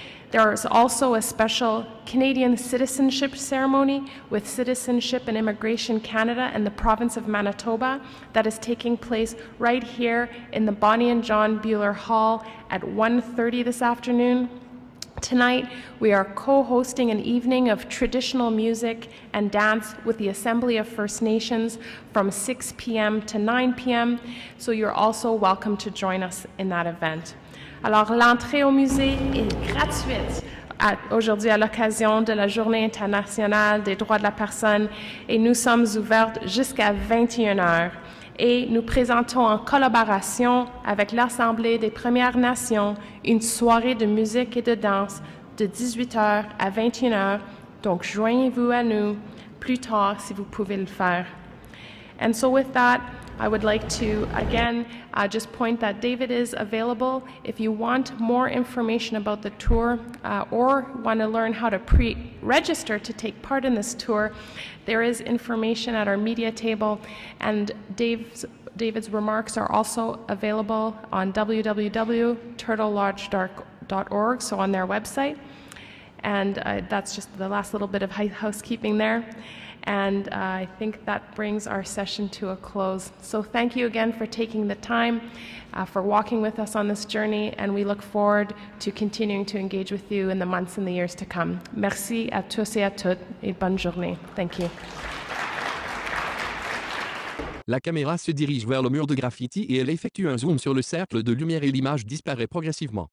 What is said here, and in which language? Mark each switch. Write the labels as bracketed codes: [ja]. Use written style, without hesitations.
[en] There is also a special Canadian citizenship ceremony with Citizenship and Immigration Canada and the province of Manitoba that is taking place right here in the Bonnie and John Bueller Hall at 1:30 this afternoon. Tonight, we are co-hosting an evening of traditional music and dance with the Assembly of First Nations from 6 p.m. to 9 p.m., so you're also welcome to join us in that event. [fr] Alors, l'entrée au musée est gratuite aujourd'hui à l'occasion de la Journée internationale des droits de la personne et nous sommes ouvertes jusqu'à 21 heures. Et nous présentons en collaboration avec l'Assemblée des Premières Nations une soirée de musique et de danse de 18h à 21h. Donc, joignez-vous à nous plus tard si vous pouvez le faire. [en] And so with that, I would like to, again, just point that David is available. If you want more information about the tour or want to learn how to pre-register to take part in this tour, there is information at our media table, and David's remarks are also available on www.turtlelodge.org, so on their website. And that's just the last little bit of housekeeping there. And I think that brings our session to a close. So thank you again for taking the time, for walking with us on this journey, and we look forward to continuing to engage with you in the months and the years to come. [fr] Merci à tous et à toutes, et bonne journée. [en] Thank you. [fr] La caméra se dirige vers le mur de graffiti et elle effectue un zoom sur le cercle de lumière et l'image disparaît progressivement.